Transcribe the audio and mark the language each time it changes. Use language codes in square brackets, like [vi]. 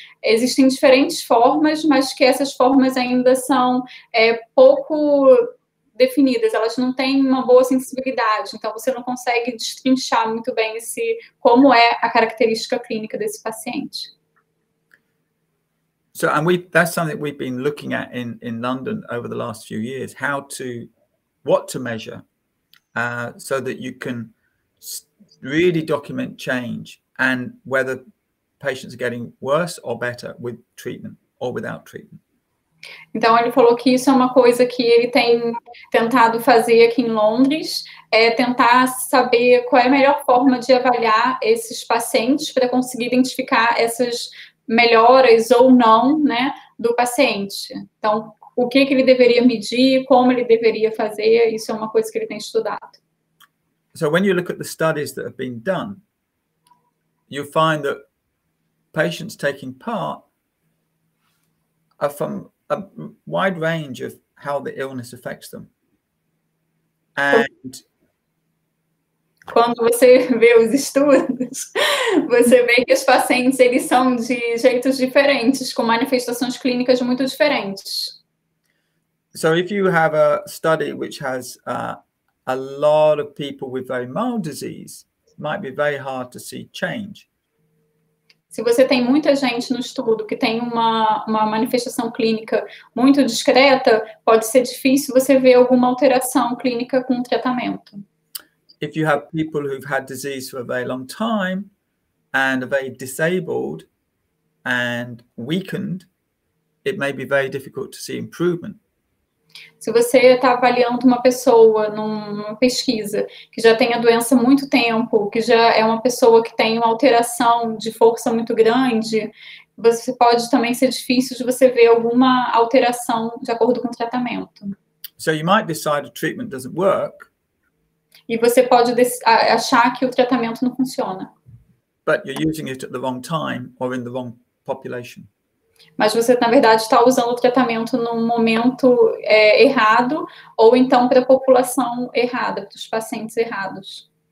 [pt] Existem diferentes formas, mas que essas formas ainda são pouco definidas. Elas não têm uma boa sensibilidade. Então, você não consegue destrinchar muito bem como é a característica clínica desse paciente. [en] So, and we, that's something we've been looking at in London over the last few years. How to, what to measure, so that you can really document change and whether patients are getting worse or better with treatment or without treatment. [pt] Então ele falou que isso é uma coisa que ele tem tentado fazer aqui em Londres, tentar saber qual é a melhor forma de avaliar esses pacientes para conseguir identificar essas melhoras ou não, né, do paciente. Então, o que ele deveria medir, como ele deveria fazer, isso é uma coisa que ele tem estudado. [en] So when you look at the studies that have been done, you find that patients taking part are from a wide range of how the illness affects them. And [pt] quando você vê os estudos, você vê que os pacientes, eles são de jeitos diferentes, com manifestações clínicas muito diferentes. [en] So if you have a study which has a lot of people with very mild disease, it might be very hard to see change. [pt] Se você tem muita gente no estudo que tem uma manifestação clínica muito discreta, pode ser difícil você ver alguma alteração clínica com o tratamento. [en] If you have people who've had disease for a very long time and are very disabled and weakened, it may be very difficult to see improvement. [pt] Se você está avaliando uma pessoa numa pesquisa que já tem a doença há muito tempo, que já é uma pessoa que tem uma alteração de força muito grande, você pode também ser difícil de você ver alguma alteração de acordo com o tratamento. [en] So you might decide the treatment doesn't work. [pt] E você pode achar que o tratamento não funciona. [en] But you're using it at the wrong time or in the wrong population. [pt] Mas você, na verdade, está usando o tratamento num momento errado ou então para a população errada, para os pacientes errados.